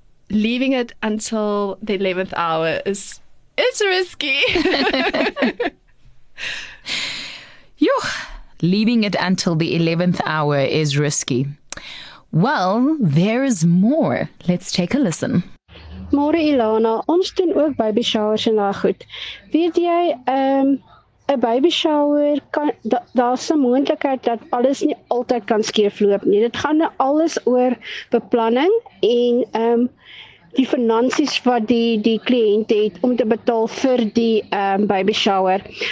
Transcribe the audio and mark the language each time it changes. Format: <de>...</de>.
<en>Leaving it until the 11th hour is risky. Yuch, leaving it until the 11th hour is risky. Well, there is more. Let's take a listen.</en> <af>Môre Ilana, ons doen ook baby showers en daai goed. Weet jy, 'n baby shower kan daar's 'n moontlikheid dat alles nie altyd kan skeefloop nie. Dit gaan alles oor beplanning en die finansies wat die kliënt het om te betaal vir die baby shower.</af>